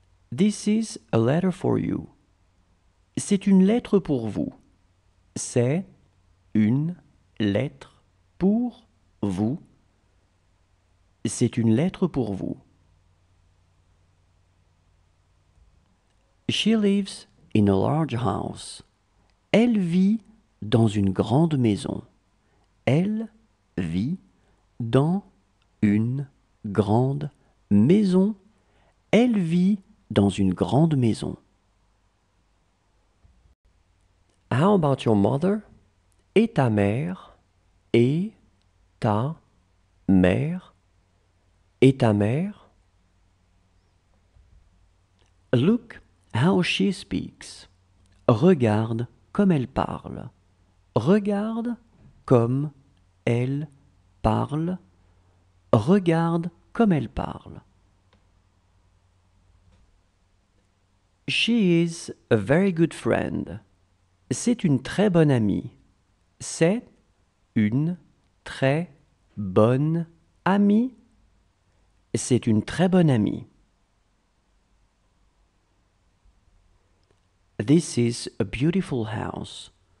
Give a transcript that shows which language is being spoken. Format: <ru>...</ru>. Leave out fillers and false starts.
<en>This is a letter for you.</en> <fr>C'est une lettre pour vous. C'est une lettre pour vous. C'est une lettre pour vous.</fr> <en>She lives in a large house.</en> <fr>Elle vit dans une grande maison. Elle vit dans une grande maison. Elle vit dans une grande maison.</fr> <en>How about your mother?</en> <fr>Et ta mère? Et ta mère? Et ta mère?</fr> <en>Look how she speaks.</en> <fr>Regarde comme elle parle. Regarde comme elle parle. Regarde comme elle parle.</fr> <en>She is a very good friend.</en> <fr>C'est une très bonne amie. C'est une très bonne amie. C'est une très bonne amie.</fr> <en>This is a beautiful house.</en>